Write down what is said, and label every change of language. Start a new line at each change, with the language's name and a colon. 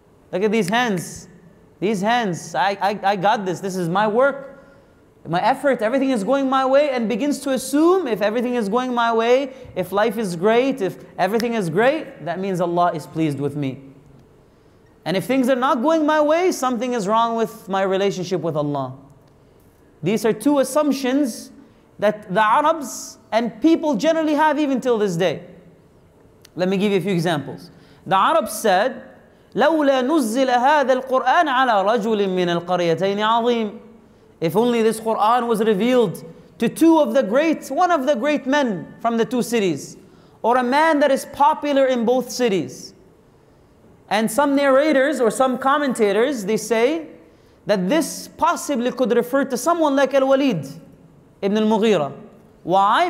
English: Look at these hands, I got this, this is my work, my effort, everything is going my way, and begins to assume if everything is going my way, if life is great, if everything is great, that means Allah is pleased with me. And if things are not going my way, something is wrong with my relationship with Allah. These are two assumptions that the Arabs and people generally have even till this day. Let me give you a few examples. The Arabs said,
Arabic: لَوْلَا نُزِّلَ هَذَا الْقُرْآنَ عَلَى رَجُلٍ مِّنَ الْقَرْيَتَيْنِ عَظِيمٍ.
English: If only this Quran was revealed to two of the great, one of the great men from the two cities, or a man that is popular in both cities. And some narrators or some commentators, they say that this possibly could refer to someone like Al-Walid ibn al-Mughira. Why?